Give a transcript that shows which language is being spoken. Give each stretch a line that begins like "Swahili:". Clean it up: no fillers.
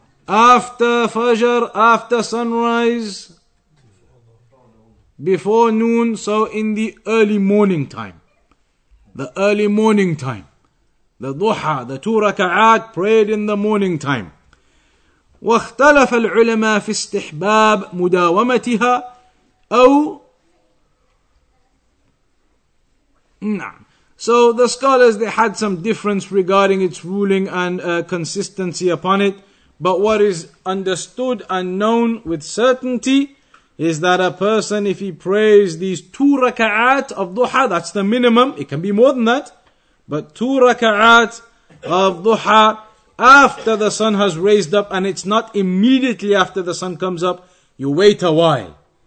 English: After Fajr, after sunrise, before noon, so in the early morning time. The early morning time. The duha, the two raka'at prayed in the morning time.
Arabic: واختلف العلماء في استحباب مداومتها أو نعم.
English: So the scholars, they had some difference regarding its ruling and consistency upon it. But what is understood and known with certainty is that a person, if he prays these two raka'at of duha, that's the minimum, it can be more than that, but two raka'at of duha after the sun has raised up, and it's not immediately after the sun comes up, you wait a while.